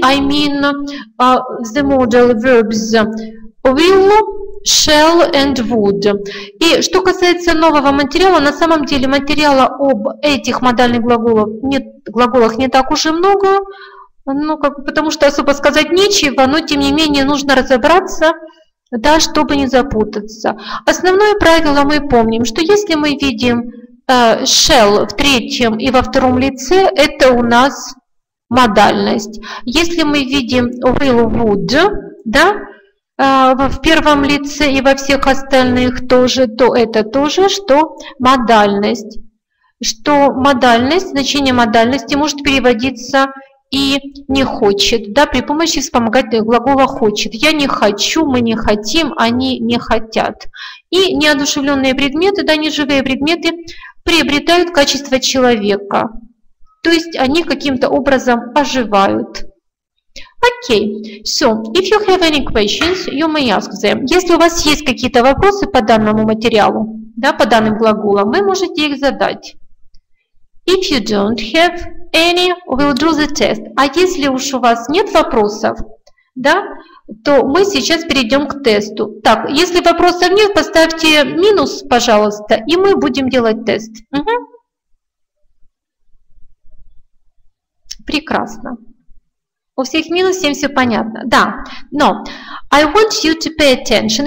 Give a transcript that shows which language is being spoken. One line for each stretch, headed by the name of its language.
English: I mean, the modal verbs will, shall and would.
Russian: И что касается нового материала, на самом деле материала об этих модальных глаголах не так уж и много, ну, как, потому что особо сказать нечего, но тем не менее нужно разобраться, да, чтобы не запутаться. Основное правило мы помним, что если мы видим shall в третьем и во втором лице, это у нас модальность. Если мы видим will, would, да, в первом лице и во всех остальных тоже, то это тоже, что модальность. Что модальность, значение модальности может переводиться и не хочет, да, при помощи вспомогательного глагола хочет. Я не хочу, мы не хотим, они не хотят. И неодушевленные предметы, да, неживые предметы приобретают качество человека. То есть они каким-то образом оживают. Окей.
English: So, if you have any questions, you may ask them.
Russian: Если у вас есть какие-то вопросы по данному материалу, да, по данным глаголам, вы можете их задать.
English: If you don't have any, we'll do the test.
Russian: А если уж у вас нет вопросов, да, то мы сейчас перейдем к тесту. Так, если вопросов нет, поставьте минус, пожалуйста, и мы будем делать тест. Прекрасно. У всех минус, всем все понятно. Да, но
English: I want you to pay attention.